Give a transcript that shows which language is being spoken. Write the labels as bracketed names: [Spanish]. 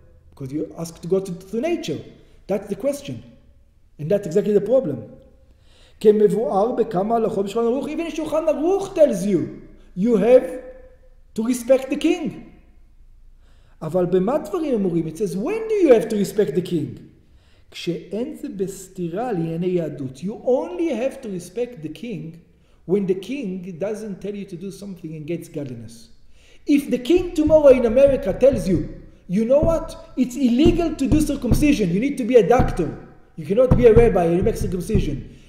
[English] Because you ask to go to nature. That's the question. And that's exactly the problem. Even Shulchan Aruch tells you, you have to respect the king. [Hebrew] אבל במה דברים אמורים? [English] It says, when do you have to respect the king? [Hebrew] כשאין זה בסתירה לענייני יהדות. [English] You only have to respect the king when the king doesn't tell you to do something against godliness. If the king tomorrow in America tells you, you know what? It's illegal to do circumcision. You need to be a doctor. You cannot be a rabbi and make circumcision.